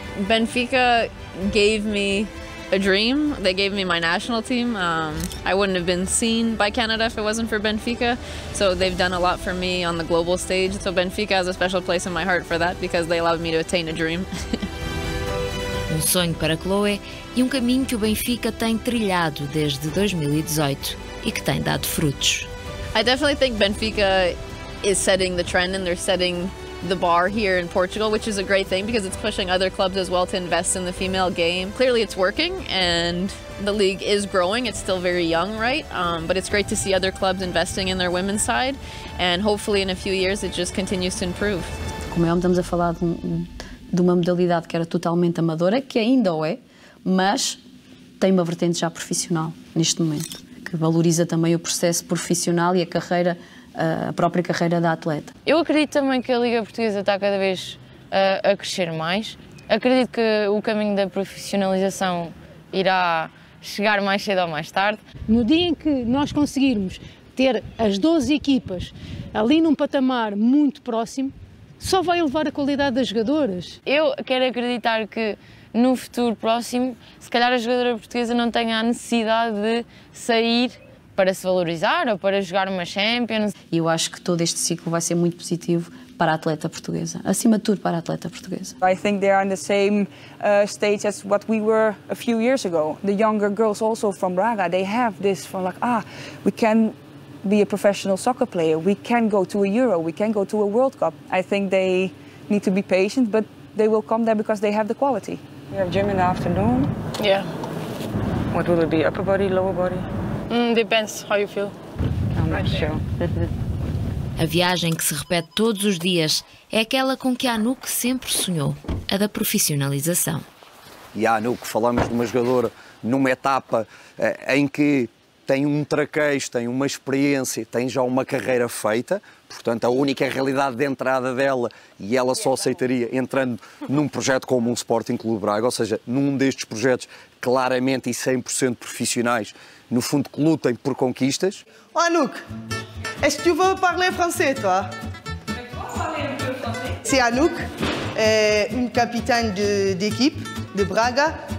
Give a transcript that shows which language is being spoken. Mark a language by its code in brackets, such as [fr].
[en] Benfica gave me a dream. They gave me my national team. I wouldn't have been seen by Canada if it wasn't for Benfica. So they've done a lot for me on the global stage. So Benfica has a special place in my heart for that because they allowed me to attain a dream. [pt] Um sonho para Chloe e um caminho que o Benfica tem trilhado desde 2018 e que tem dado frutos. [en] I definitely think Benfica is setting the trend, and they're setting the bar here in Portugal, which is a great thing because it's pushing other clubs as well to invest in the female game. Clearly it's working and the league is growing. It's still very young, right? But it's great to see other clubs investing in their women's side, and hopefully in a few years it just continues to improve. [pt] Como é óbvio, estamos a falar de uma modalidade que era totalmente amadora, que ainda o é, mas tem uma vertente já profissional neste momento, que valoriza também o processo profissional e a carreira, a própria carreira da atleta. Eu acredito também que a Liga Portuguesa está cada vez a crescer mais. Acredito que o caminho da profissionalização irá chegar mais cedo ou mais tarde. No dia em que nós conseguirmos ter as 12 equipas ali num patamar muito próximo, só vai elevar a qualidade das jogadoras. Eu quero acreditar que no futuro próximo, se calhar a jogadora portuguesa não tenha a necessidade de sair para se valorizar ou para jogar uma Champions. E eu acho que todo este ciclo vai ser muito positivo para a atleta portuguesa, acima de tudo para a atleta portuguesa. [en] I think they are in the same stage as what we were a few years ago. The younger girls also from Braga, they have this from like, ah, we can be a professional soccer player, we can go to a Euro, we can go to a World Cup. I think they need to be patient, but they will come there because they have the quality. We have gym in the afternoon. Yeah. What will it be, upper body, lower body? Depends how you feel. I'm not sure. [pt] A viagem que se repete todos os dias é aquela com que a Anouk sempre sonhou, a da profissionalização. E a Anouk, falamos de uma jogadora numa etapa em que tem um traquejo, tem uma experiência, tem já uma carreira feita, portanto a única realidade de entrada dela, e ela só aceitaria entrando num projeto como um Sporting Clube Braga, ou seja, num destes projetos claramente e 100% profissionais, no fundo que lutem por conquistas. [fr] Oh, Anouk, est-ce que tu veux parler français, toi? C'est Anouk, une capitaine d'équipe de Braga.